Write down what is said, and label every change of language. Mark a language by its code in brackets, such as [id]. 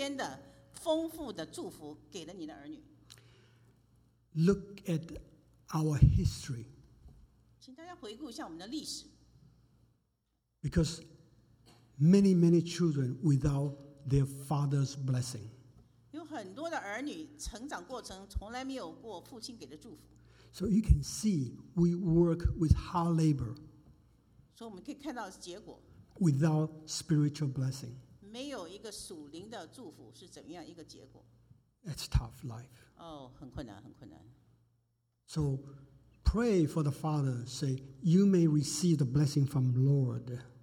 [zh] 只有你有这个特权把属天的丰富的祝福给了你的儿女。 [en] Look at our history. [zh] 请大家回顾一下我们的历史。 [en] Because many, many children without their father's blessing. [zh] 有很多的儿女成长过程从来没有过父亲给的祝福。 [en] So you can see we work with hard labor. [zh] 所以我们可以看到结果。 [en] Without spiritual blessing. [zh] 没有一个属灵的祝福是怎么样一个结果? [en] It's tough life. [zh] Oh, 很困难。 [en] So pray for the Father, say, you may receive the blessing from the Lord.